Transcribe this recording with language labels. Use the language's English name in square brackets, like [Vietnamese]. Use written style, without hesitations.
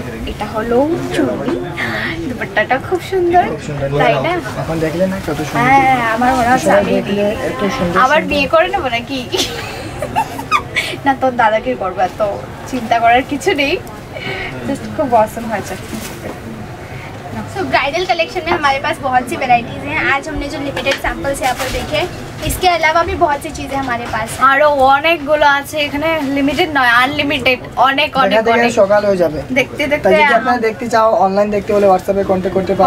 [Bangla] এটা হলো চুড়ি, দুপাট্টাটা খুব সুন্দর তাই না, এখন দেখলে না কত সুন্দর, হ্যাঁ আমার মনে হচ্ছে আমি দিয়ে একটু সুন্দর আবার বিয়ে করে নেব নাকি, না তোর দাদাকে করব, এত চিন্তা করার কিছু নেই, জাস্ট খুব অসম হয়েছে। [Hindi] सो ब्राइडल कलेक्शन में हमारे पास बहुत सी वैरायटीज हैं, आज हमने जो लिमिटेड सैंपल्स यहाँ पर देखे इसके अलावा भी बहुत सी चीजें हमारे पास हैं। [Bangla] आरो अनेक गुलो আছে এখানে, লিমিটেড নয় আনলিমিটেড, অনেক অনেক অনেক দেখতে সকাল হয়ে যাবে, দেখতে দেখতে তাই যদি আপনারা দেখতে চাও অনলাইন দেখতে হলে WhatsApp এ কন্টাক্ট করতে পারো,